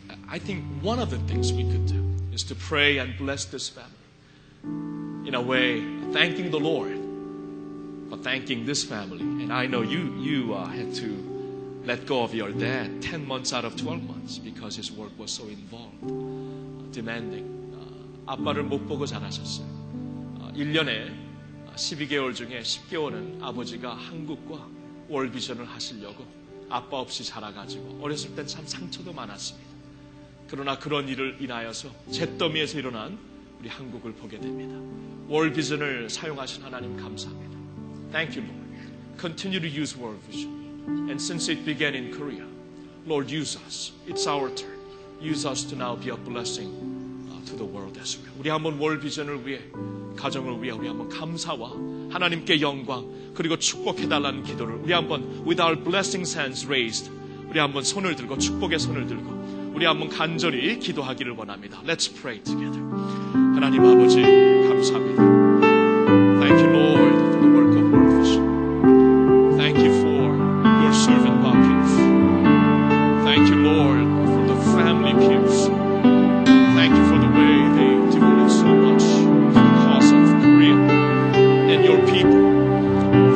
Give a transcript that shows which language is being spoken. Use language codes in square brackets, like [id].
[en] I think one of the things we could do is to pray and bless this family. In a way, thanking the Lord for thanking this family. And I know you had to let go of your dad 10 months out of 12 months because his work was so involved, demanding. [ko] 아빠를 못 보고 자라셨어요. 1년에 12개월 중에 10개월은 아버지가 한국과 월비전을 하시려고 아빠 없이 자라가지고 어렸을 땐 참 상처도 많았습니다. 그러나 그런 일을 인하여서 잿더미에서 일어난 우리 한국을 보게 됩니다. 월비전을 사용하신 하나님 감사합니다. [en] Thank you, Lord. Continue to use World Vision. And since it began in Korea, Lord, use us. It's our turn. Use us to now be a blessing to the world as well. [ko] 우리 한번 월비전을 위해, 가정을 위해 우리 한번 감사와 하나님께 영광 그리고 축복해달라는 기도를 우리 한번 [en] with our blessing hands raised, [ko] 우리 한번 손을 들고 축복의 손을 들고 우리 한번 간절히 기도하기를 원합니다. [en] Let's pray together. [ko] 하나님 아버지 감사합니다. [en] Thank you Lord for the work of World Vision. Thank you for your servant Bucket. Thank you Lord for the family Pierce. Thank you for the way they devoted so much to the cause of Korea and your people.